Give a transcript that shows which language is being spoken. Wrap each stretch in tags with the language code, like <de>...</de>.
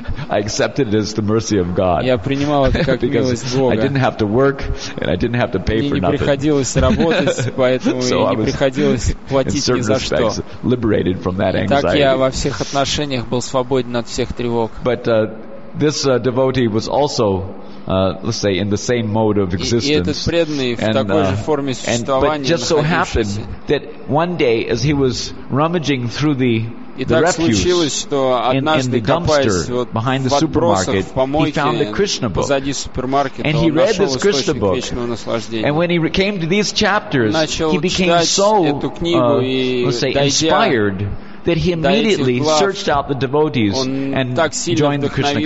<en>I accepted it as the mercy of God.</en> <ru>Я принимал это как милость Бога.</ru> <en>I didn't have to work and I didn't have to pay</en> <ru>мне</ru> <en>for nothing.</en> <ru>Не приходилось работать, поэтому</ru> <en>so</en> <ru>и не приходилось платить ни за что.</ru> <en>Liberated from that anxiety.</en> <ru>Так я во всех отношениях был свободен от всех тревог.</ru> <en>But this devotee was also let's say in the same mode of existence, but just so happened that one day as he was rummaging through the refuse in the dumpster behind the supermarket, he found the Krishna book and he read this Krishna book, and when he came to these chapters he became so inspired that he immediately searched out the devotees and joined the Krishna</en>